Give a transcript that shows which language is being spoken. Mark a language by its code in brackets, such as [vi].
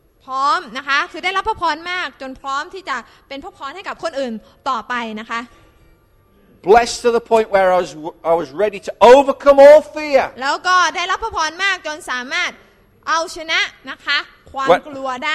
[th] พร้อมนะคะคือได้รับพรมากจนพร้อมที่จะเป็นพรให้กับคนอื่นต่อไปนะคะ [en] Blessed to the point where I was ready to overcome all fear. [th] แล้วก็ได้รับพรมากจนสามารถเอาชนะนะคะความกลัวได